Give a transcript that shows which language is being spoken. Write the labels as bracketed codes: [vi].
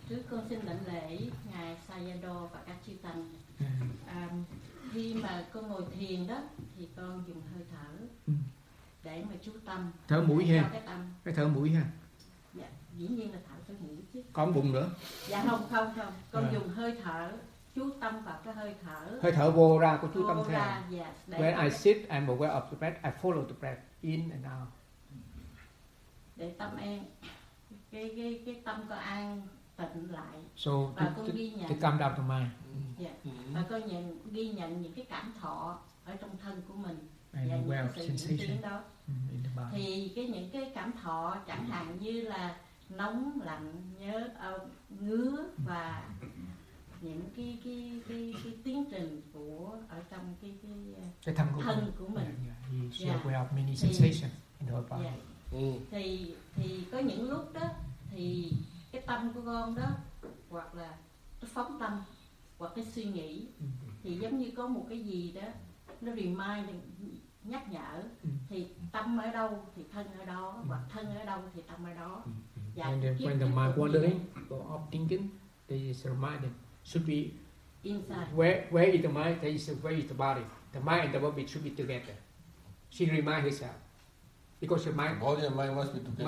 [vi] Con xin lãnh lễ ngài Sayado và các chư tăng. Khi mà con ngồi thiền đó thì con dùng hơi thở để mà chú tâm. Thở mũi ha. Cái thở mũi ha. Dạ, dĩ nhiên là thở cái mũi chứ. Còn bụng nữa? Dạ không. Con dùng hơi thở, chú tâm vào cái hơi thở. Hơi thở vô ra của chú tâm theo. [en] Yes, when I sit, I'm aware of the breath. I follow the breath in and out. [vi] Để tâm an, cái tâm có an. [en] So to come down to mind. [vi] Và con nhận ghi nhận những cái cảm thọ ở trong thân của mình [en] and [vi] và [en] aware [vi] những cái [en] sensation [vi] đó. Thì cái những cái cảm thọ chẳng hạn như là nóng lạnh nhớ ngứa và những cái tiến trình của ở trong cái thân của mình. [en] She aware of many sensations in her body. [vi] Thì có những lúc đó thì cái tâm của con đó hoặc là cái phóng tâm hoặc cái suy nghĩ thì giống như có một cái gì đó nó remind nhắc nhở thì tâm ở đâu thì thân ở đó hoặc thân ở đâu thì tâm ở đó. [en] And then when the mind wandering go off thinking, they is reminded should be inside. Where is the mind? There is where is the body? The mind and the body should be together. She remind herself because her mind, body and mind must be together.